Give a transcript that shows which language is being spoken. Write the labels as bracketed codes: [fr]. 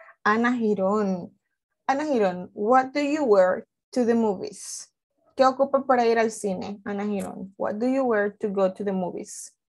[en] Ana Girón, what do you wear to the movies? [es] ¿Qué ocupa para ir al cine, Ana Girón? [en] What do you wear to go to the movies?